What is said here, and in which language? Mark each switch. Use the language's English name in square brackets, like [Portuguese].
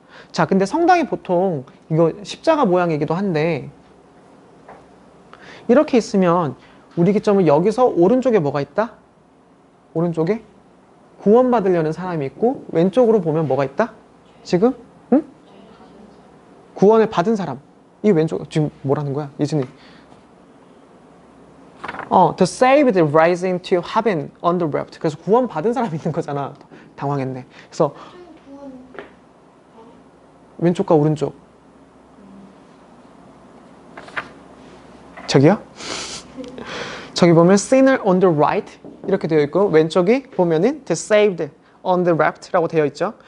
[Korean] 자, 근데 성당이 보통 이거 십자가 모양이기도 한데 이렇게 있으면 우리 기점은 여기서 오른쪽에 뭐가 있다? 오른쪽에 구원받으려는 사람이 있고 왼쪽으로 보면 뭐가 있다? 지금? 응? 구원을 받은 사람. 이 왼쪽 지금 뭐라는 거야? 이진이. [English] The saved rising to heaven on the left. [Korean] 그래서 구원받은 사람이 있는 거잖아. 당황했네. 그래서 왼쪽과 오른쪽. 저기요? 저기 보면 [English] sinner on the right [Korean] 이렇게 되어 있고 왼쪽이 보면은 [English] the saved on the left [Korean] 라고 되어 있죠.